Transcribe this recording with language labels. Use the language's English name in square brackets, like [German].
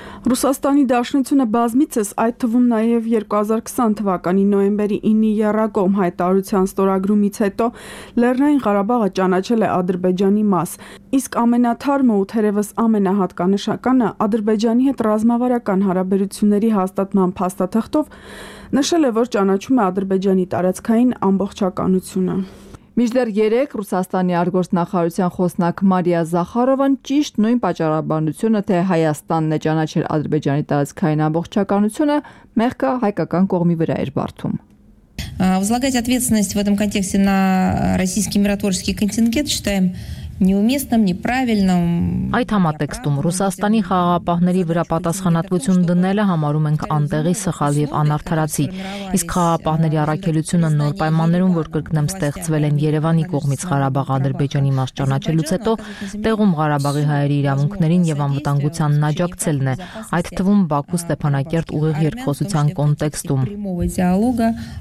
[Armenian] Ռուսաստանի Դաշնությունը բազմիցս, այդ թվում նաև 2020 թվականի նոյեմբերի 9-ի Եռակողմ հայտարարության ստորագրումից հետո, Լեռնային Ղարաբաղը ճանաչել է Ադրբեջանի մաս, իսկ ամենաթարմը ու թերևս ամենահատկանշականը Ադրբեջանի հետ ռազմավարական հարաբերությունների հաստատման փաստաթղթով նշել է, որ ճանաչում է Ադրբեջանի տարածքային ամբողջականությունը։ Մինչդեռ 3 Ռուսաստանի արտգործնախարարության խոսնակ Մարիա Զախարովան ճիշտ նույն պատճառաբանությունը, թե Հայաստանն է ճանաչել Ադրբեջանի տարածքային ամբողջականությունը, մեղքը հայկական կողմի վրա էր բարդում։ [Russian] Возлагать ответственность в этом контексте на российский миротворческий контингент считаем неуместным, неправильным. [Armenian] Այդ համատեքստում Ռուսաստանի խաղաղապահների վրա պատասխանատվություն դնելը համարում ենք անտեղի, սխալ և անարդարացի, իսկ խաղաղապահների առաքելությունը նոր պայմաններում, որ կրկնեմ, ստեղծվել են Երևանի կողմից Ղարաբաղը Ադրբեջանի մաս ճանաչելուց հետո, տեղում Ղարաբաղի հայերի իրավունքներին և անվտանգությանն աջակցելն է, այդ թվում Բաքու Ստեփանակերտ ուղիղ երկխոսության կոնտեքստում։